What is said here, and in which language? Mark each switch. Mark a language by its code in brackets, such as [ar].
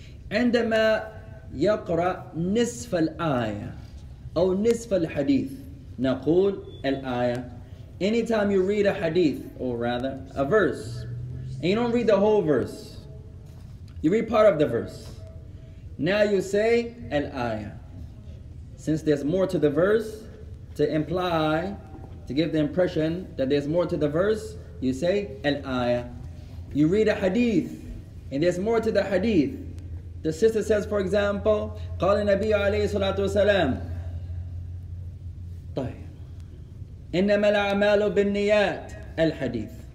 [ar] عندما يقرأ نصف الآية أو نصف الحديث نقول الآية. [en] Anytime you read a hadith, or rather a verse, and you don't read the whole verse, you read part of the verse. Now you say الآية. Since there's more to the verse, to imply, to give the impression that there's more to the verse, you say al-ayah. You read a hadith, and there's more to the hadith. The sister says, for example, [ar] قال النبي عليه الصلاة والسلام إنما الأعمال بالنيات الحديث.